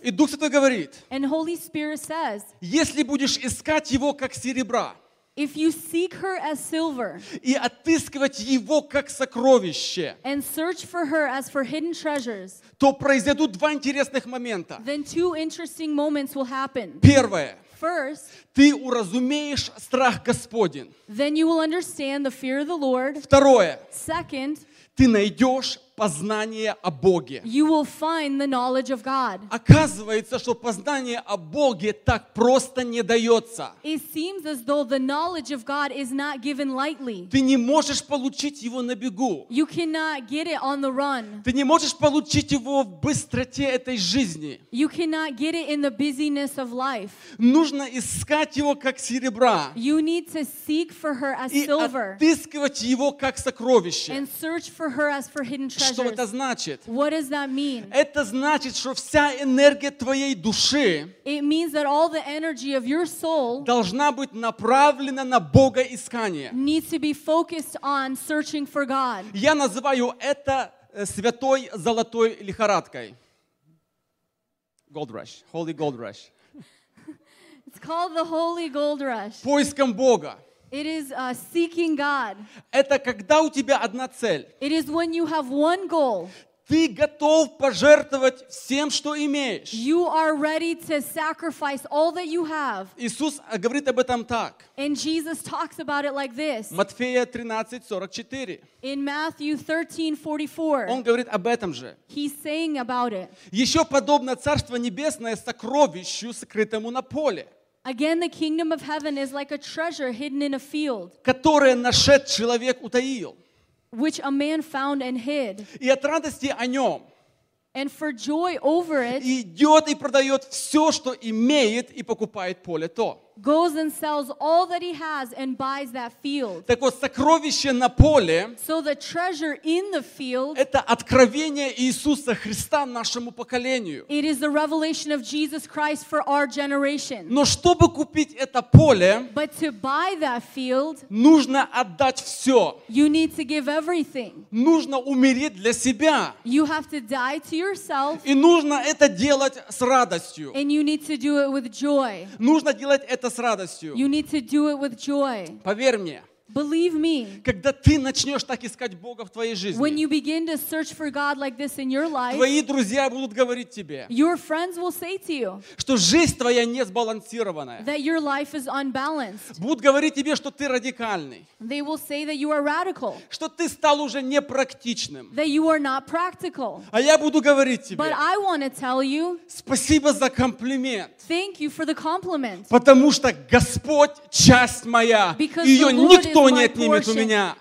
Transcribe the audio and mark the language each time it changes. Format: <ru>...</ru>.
<ru>И Дух Святой говорит,</ru> <en>And Holy Spirit says,</en> <ru>если будешь искать его как серебра,</ru> <en>If you seek her as silver,</en> <ru>и отыскивать его как сокровище,</ru> <en>and search for her as for hidden treasures,</en> <ru>то произойдут два интересных момента.</ru> <en>Then two interesting moments will happen.</en> <ru>Первое.</ru> <en>First,</en> <ru>ты уразумеешь страх Господень.</ru> <en>Then you will understand the fear of the Lord.</en> <ru>Второе.</ru> <en>Second,</en> <ru>ты найдешь познание о Боге.</ru> <en>You will find the knowledge of God.</en> <ru>Оказывается, что познание о Боге так просто не дается.</ru> <en>It seems as though the knowledge of God is not given lightly.</en> <ru>Ты не можешь получить его на бегу.</ru> <en>You cannot get it on the run.</en> <ru>Ты не можешь получить его в быстроте этой жизни.</ru> <en>You cannot get it in the busyness of life.</en> <ru>Нужно искать его как серебра.</ru> <en>You need to seek for her as silver.</en> <ru>И отыскивать его как сокровище.</ru> <en>And search for her as for hidden treasures.</en> <ru>Что это значит?</ru> <en>What does that mean?</en> <ru>Это значит, что вся энергия твоей души</ru> <en>It means that all the energy of your soul</en> <ru>должна быть направлена на Богоискание.</ru> <en>Needs to be focused on searching for God.</en> <ru>Я называю это святой золотой лихорадкой.</ru> <en>Gold rush. Holy gold rush. It's called the holy gold rush.</en> <ru>Поиском Бога.</ru> <en>It is seeking God.</en> <ru>Это когда у тебя одна цель.</ru> <en>It is when you have one goal.</en> <ru>Ты готов пожертвовать всем, что имеешь.</ru> <en>You are ready to sacrifice all that you have.</en> <ru>Иисус говорит об этом так.</ru> <en>And Jesus talks about it like this.</en> <ru>Матфея 13:44.</ru> <en>In Matthew 13:44.</en> <ru>Он говорит об этом же.</ru> <en>He's saying about it.</en> <ru>Еще подобно Царство Небесное сокровищу, скрытому на поле.</ru> <en>Again, the kingdom of heaven is like a treasure hidden in a field,</en> <ru>которое нашед человек утаил,</ru> <en>which a man found and hid.</en> <ru>И от радости о нем,</ru> <en>and for joy over it,</en> <ru>идет и продает все, что имеет, и покупает поле то.</ru> <en>Goes and sells all that he has and buys that field.</en> <ru>Так вот, сокровище на поле,</ru> <en>so the treasure in the field,</en> <ru>это откровение Иисуса Христа нашему поколению.</ru> <en>It is the revelation of Jesus Christ for our generation.</en> <ru>Но чтобы купить это поле,</ru> <en>but to buy that field,</en> <ru>нужно отдать все.</ru> <en>You need to give everything.</en> <ru>Нужно умереть для себя.</ru> <en>You have to die to yourself.</en> <ru>И нужно это делать с радостью.</ru> <en>And you need to do it with joy.</en> <ru>Нужно делать это с радостью.</ru> <en>You need to do it with joy.</en> <ru>Поверь мне.</ru> <en>Believe me.</en> <ru>Когда ты начнешь так искать Бога в твоей жизни,</ru> <en>when you begin to search for God like this in your life,</en> <ru>твои друзья будут говорить тебе,</ru> <en>your friends will say to you,</en> <ru>что жизнь твоя не сбалансированная,</ru> <en>that your life is unbalanced.</en> <ru>Будут говорить тебе, что ты радикальный,</ru> <en>they will say that you are radical,</en> <ru>что ты стал уже непрактичным,</ru> <en>that you are not practical.</en> <ru>А я буду говорить тебе,</ru> <en>but I want to tell you,</en> <ru>спасибо за комплимент,</ru> <en>thank you for the compliment,</en> <ru>потому что Господь часть моя,</ru> <en>because</en> <ru>ее</ru> <en>the</en> <ru>никто Кто не отнимет у меня?</ru>